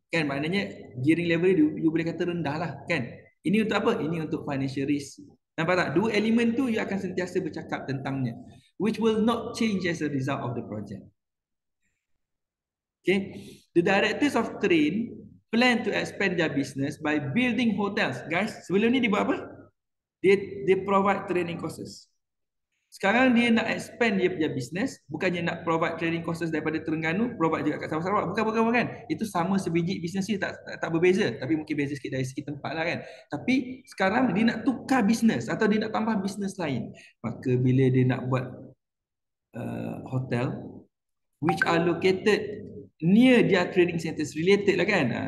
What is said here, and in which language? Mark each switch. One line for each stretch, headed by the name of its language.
Malay: Kan, maknanya gearing level dia, you boleh kata rendah lah kan. Ini untuk apa? Ini untuk
English: financial risk.
Malay: Nampak tak? Dua elemen tu you akan sentiasa bercakap tentangnya,
English: which will not change as a result of the project. Okay. The directors of Train plan to expand their business by building hotels.
Malay: Guys, sebelum ni dia buat apa? Dia provide training courses. Sekarang dia nak expand dia business, bukannya nak provide training courses daripada Terengganu, provide juga kat Sarawak. Bukan. Itu sama sebiji business dia, tak berbeza. Tapi mungkin beza sikit dari segi tempat lah kan. Tapi sekarang dia nak tukar business atau dia nak tambah business lain. Maka bila dia nak buat hotel,
English: which are located near their training centers,
Malay: related lah kan.